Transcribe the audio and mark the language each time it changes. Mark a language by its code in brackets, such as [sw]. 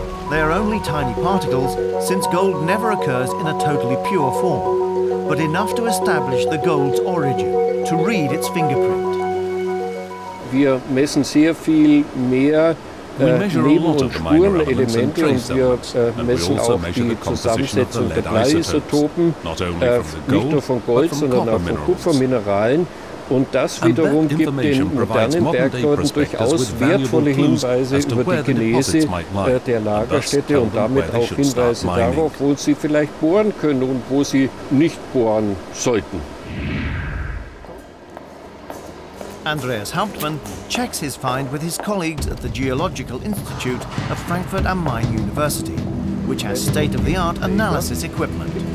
[en] They are only tiny particles, since gold never occurs in a totally pure form, but enough to establish the gold's origin, to read its fingerprint. [de] Wir messen sehr viel mehr. [en] We measure a lot of the minor elements and trace elements, and we also measure the composition of the lead isotopes, not only from the gold, but from copper minerals. [de] Und das wiederum gibt den modernen Bergleuten durchaus wertvolle Hinweise über die Genese der Lagerstätte und damit auch Hinweise darauf, wo sie vielleicht bohren können und wo sie nicht bohren sollten. [en] Andreas Hauptmann checks his find with his colleagues at the Geological Institute of Frankfurt am Main University, which has state-of-the-art analysis equipment.